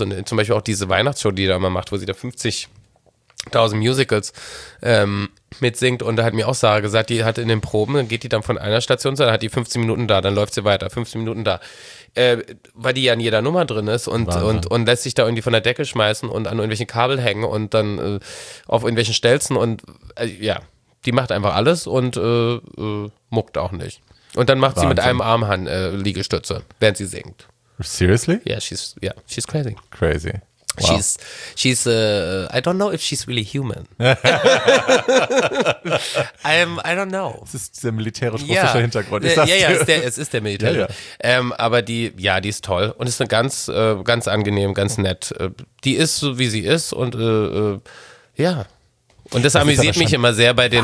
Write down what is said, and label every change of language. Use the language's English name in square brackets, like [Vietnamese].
[German] Und zum Beispiel auch diese Weihnachtsshow, die da immer macht, wo sie da 50.000 Musicals mitsingt und da hat mir auch Sarah gesagt, die hat in den Proben, dann geht die dann von einer Station zu, dann hat die 15 Minuten da, dann läuft sie weiter, 15 Minuten da, weil die ja in jeder Nummer drin ist und lässt sich da irgendwie von der Decke schmeißen und an irgendwelchen Kabel hängen und dann auf irgendwelchen Stelzen und die macht einfach alles und muckt auch nicht. Und dann macht sie mit einem Arm Liegestütze, während sie singt. [English] Seriously? Yeah, she's crazy. Crazy. Wow. She's I don't know if she's really human. I don't know. [German] Es ist der militärisch-russische Hintergrund. Es ist der militärische. [English] Yeah, yeah. [German] Aber die ist toll und ist eine ganz, ganz angenehm, ganz nett. Die ist so, wie sie ist und Und das amüsiert mich immer sehr bei den...